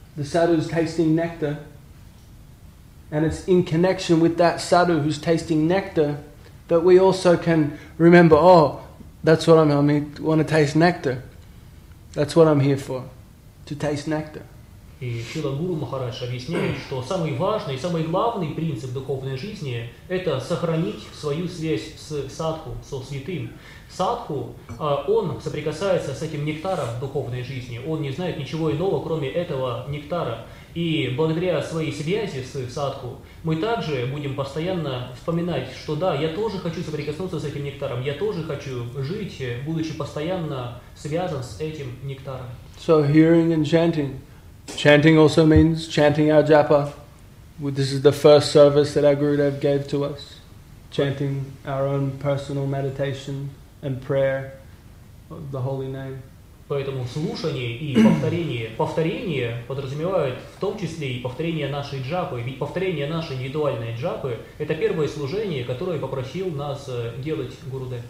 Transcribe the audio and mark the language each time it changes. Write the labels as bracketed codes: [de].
[en] The sadhu is tasting nectar, and it's in connection with that sadhu who's tasting nectar that we also can remember, oh, that's what I want to taste nectar. That's what I'm here for, to taste nectar. [ru] И Шрила Гуру Махарадж объясняет, что самый важный, самый главный принцип духовной жизни – это сохранить свою связь с садху, со святым. Садху, он соприкасается с этим нектаром духовной жизни, он не знает ничего иного, кроме этого нектара. И благодаря своей связи с садху мы также будем постоянно вспоминать, что да, я тоже хочу соприкоснуться с этим нектаром, я тоже хочу жить, будучи постоянно связан с этим нектаром. [en] So hearing and chanting. Chanting also means chanting our japa. This is the first service that our Gurudev gave to us. Chanting our own personal meditation and prayer of the holy name. [ru] Поэтому слушание и повторение. Повторение подразумевает в том числе и повторение нашей джапы. Ведь повторение нашей индивидуальной джапы – это первое служение, которое попросил нас делать Гурудев.